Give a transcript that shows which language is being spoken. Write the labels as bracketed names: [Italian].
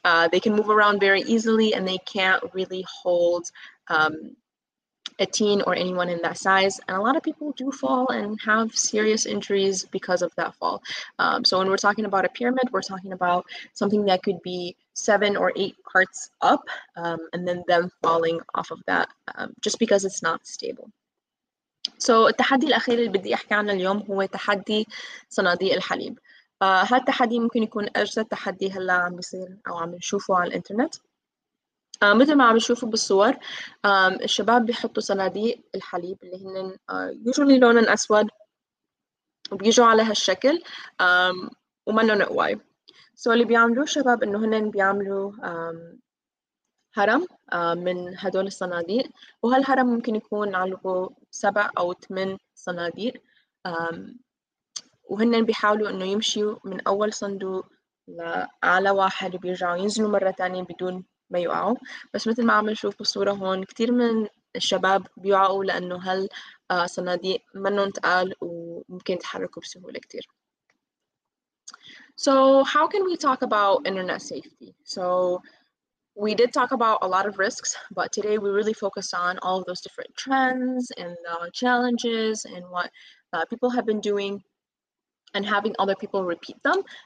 [English] They can move around very easily, and they can't really hold a teen or anyone in that size. And a lot of people do fall and have serious injuries because of that fall. So when we're talking about a pyramid, we're talking about something that could be 7 or 8 carts up, and then them falling off of that just because it's not stable. [Arabic] So التحدي الأخير اللي بدي أحكي عنه اليوم هو تحدي صناديق الحليب. هذا التحدي ممكن يكون أجدد تحدي هلا عم بيصير أو عم نشوفه على الإنترنت. مثل ما عم نشوفه بالصور، الشباب بيحطوا صناديق الحليب اللي هن usually لونهم أسود، وبيجوا على هالشكل ومنهم قواي. سو اللي بيعملوه الشباب إنه هن بيعملوا هرم من هدول الصناديق، وهالهرم ممكن يكون عالقه 7 أو 8 صناديق. وهن بيحاولوا انه يمشيوا من اول صندوق لاعلى واحد، وبيرجعوا ينزلوا مره ثانيه بدون ما يقعوا. بس مثل ما عم نشوف بالصوره هون، كثير من الشباب بيقعوا لانه هالصناديق منهم تقال وممكن يتحركوا بسهوله كثير. [English] So how can we talk about internet safety? So we did talk about a lot of risks, but today we really focused on all of those different trends and the challenges and what people have been doing and having other people repeat them.